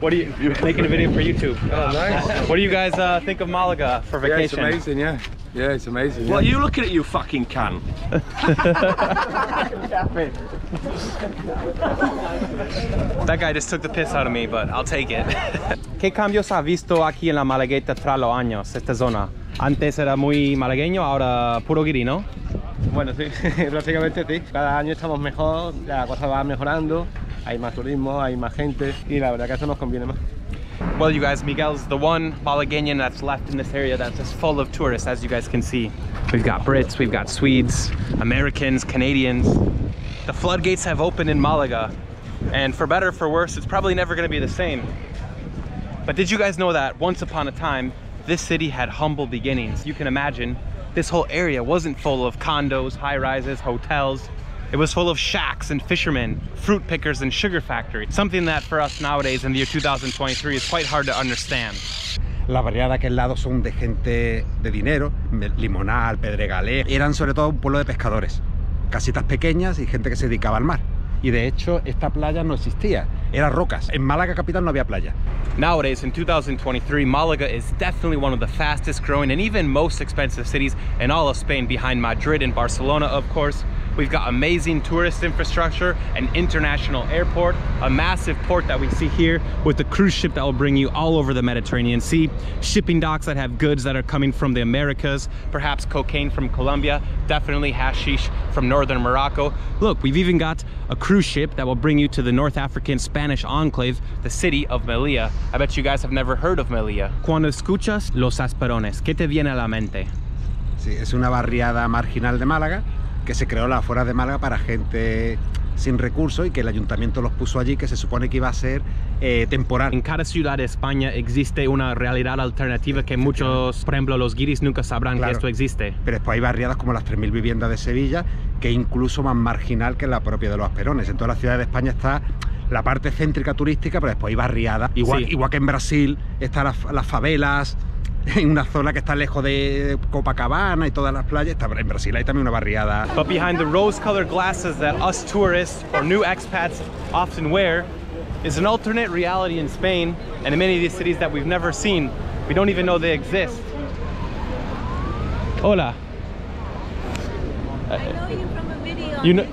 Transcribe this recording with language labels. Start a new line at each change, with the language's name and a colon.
English: What are you making a video for YouTube? Oh, nice. What do you guys think of Malaga for vacation? Yeah, it's amazing, yeah. Yeah, it's amazing. Well, are you looking at you fucking can? That guy just took the piss out of me, but I'll take it.
Spanish: ¿Qué cambios ha visto aquí en la Malagueta tras los años, esta zona? Antes era muy malagueño, ahora puro guiri, ¿no? Bueno, sí, prácticamente sí. Cada año estamos mejor, la cosa va mejorando, hay más turismo, hay más gente, y la verdad que eso nos conviene más.
English: Well, you guys, Miguel's the one Malaguenian that's left in this area that's just full of tourists, as you guys can see. We've got Brits, we've got Swedes, Americans, Canadians. The floodgates have opened in Malaga. And for better or for worse, it's probably never going to be the same. But did you guys know that once upon a time, this city had humble beginnings? You can imagine, this whole area wasn't full of condos, high-rises, hotels. It was full of shacks and fishermen, fruit pickers and sugar factories. Something that for us nowadays in the year 2023 is quite hard to understand.
Spanish: La variedad de aquel lado son de gente de dinero, limonar, pedregalé. Eran sobre todo un pueblo de pescadores, casitas pequeñas y gente que se dedicaba al mar. Y de hecho, esta playa no existía, era rocas. En Málaga capital no había playa.
English: Nowadays, in 2023, Málaga is definitely one of the fastest growing and even most expensive cities in all of Spain, behind Madrid and Barcelona, of course. We've got amazing tourist infrastructure, an international airport, a massive port that we see here with the cruise ship that will bring you all over the Mediterranean Sea, shipping docks that have goods that are coming from the Americas, perhaps cocaine from Colombia, definitely hashish from northern Morocco. Look, we've even got a cruise ship that will bring you to the North African Spanish enclave, the city of Melilla. I bet you guys have never heard of Melilla.
Spanish: Cuando escuchas los asparones, ¿qué te viene a la mente? Sí, es una barriada marginal de Málaga. Que se creó la afuera de Málaga para gente sin recursos y que el ayuntamiento los puso allí, que se supone que iba a ser temporal. En cada ciudad de España existe una realidad alternativa que muchos, por ejemplo, los guiris nunca sabrán, claro, que esto existe. Pero después hay barriadas como las 3.000 viviendas de Sevilla, que incluso más marginal que la propia de los Asperones. En toda la ciudad de España está la parte céntrica turística, pero después hay barriadas. Igual, sí. Igual que en Brasil están las favelas. En una zona que está lejos de Copacabana y todas las playas, está en Brasil hay también una barriada.
English: But behind the rose-colored glasses that us tourists or new expats often wear is an alternate reality in Spain and in many of these cities that we've never seen. We don't even know they exist.
Spanish: Hola.
English: I know you from a video.